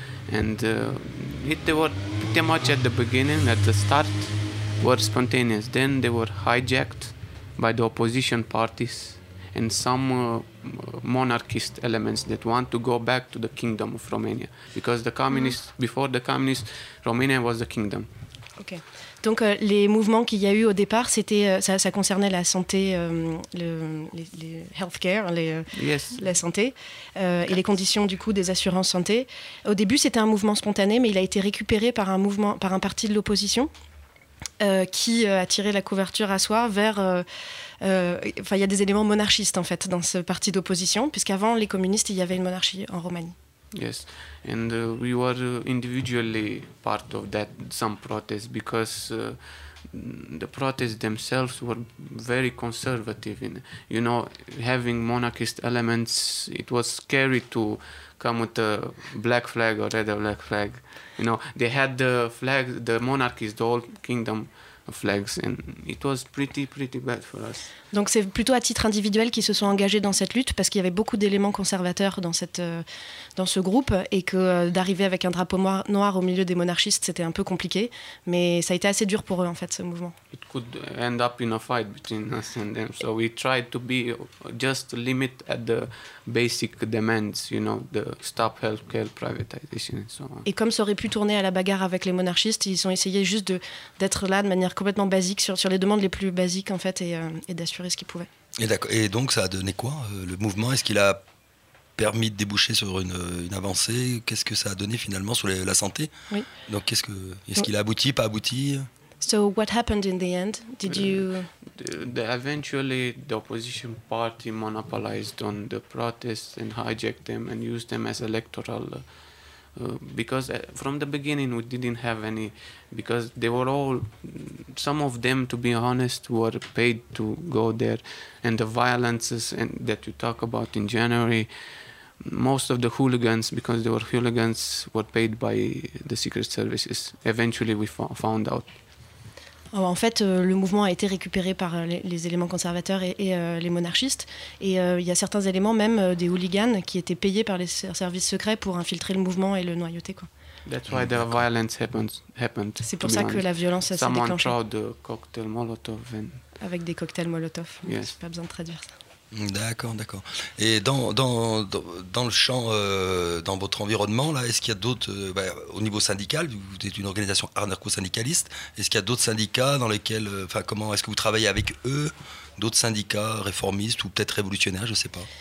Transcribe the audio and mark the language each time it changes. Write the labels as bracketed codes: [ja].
[en] And they were pretty much at the beginning, at the start, were spontaneous. Then they were hijacked by the opposition parties and some monarchist elements that want to go back to the kingdom of Romania. Because the communists, before the communists, Romania was the kingdom. Okay. [fr] Donc les mouvements qu'il y a eu au départ, c'était ça concernait la santé, les healthcare, la santé et les conditions du coup des assurances santé. Au début, c'était un mouvement spontané, mais il a été récupéré par un parti de l'opposition qui a tiré la couverture à soi vers. Enfin, il y a des éléments monarchistes en fait dans ce parti d'opposition, puisqu'avant les communistes, il y avait une monarchie en Roumanie. [en] Yes, and we were individually part of that, some protests, because the protests themselves were very conservative. Having monarchist elements, it was scary to come with a black flag or red or black flag. You know, they had the flag, the monarchist, the whole kingdom flags, and it was pretty bad for us. [fr] Donc c'est plutôt à titre individuel qu'ils se sont engagés dans cette lutte parce qu'il y avait beaucoup d'éléments conservateurs dans ce groupe et que d'arriver avec un drapeau noir au milieu des monarchistes, c'était un peu compliqué, mais ça a été assez dur pour eux en fait ce mouvement. [en] It could end up in a fight between us and them, so we tried to be just limit at the basic demands, you know, the stop healthcare privatization and so on. [fr] Et comme ça aurait pu tourner à la bagarre avec les monarchistes, ils ont essayé juste d'être là de manière complètement basique sur les demandes les plus basiques en fait et d'assurer ce qu'ils pouvaient. Et donc ça a donné quoi le mouvement? Est-ce qu'il a permis de déboucher sur une avancée? Qu'est-ce que ça a donné finalement sur la santé? Oui. Donc qu'est-ce qu'il a abouti, pas abouti? [en] So what happened in the end? Did you... Eventually, the opposition party monopolized on the protests and hijacked them and used them as electoral... because from the beginning we didn't have any, because they were all, some of them, to be honest, were paid to go there. And the violences and that you talk about in January, most of the hooligans, because they were hooligans, were paid by the secret services. Eventually we found out. [fr] En fait, le mouvement a été récupéré par les éléments conservateurs et les monarchistes. Et il y a certains éléments, même des hooligans, qui étaient payés par les services secrets pour infiltrer le mouvement et le noyauter. Quoi. [en] That's why the violence happened. [fr] C'est pour ça que la violence s'est déclenchée. [en] Someone throw the cocktail Molotov. [fr] Avec des cocktails Molotov. [en] Yes. [fr] Pas besoin de traduire ça. D'accord, d'accord. Et dans le champ, dans votre environnement, là, est-ce qu'il y a d'autres, au niveau syndical, vous êtes une organisation anarcho-syndicaliste, est-ce qu'il y a d'autres syndicats dans lesquels, comment est-ce que vous travaillez avec eux, d'autres syndicats réformistes ou peut-être révolutionnaires, je ne sais pas.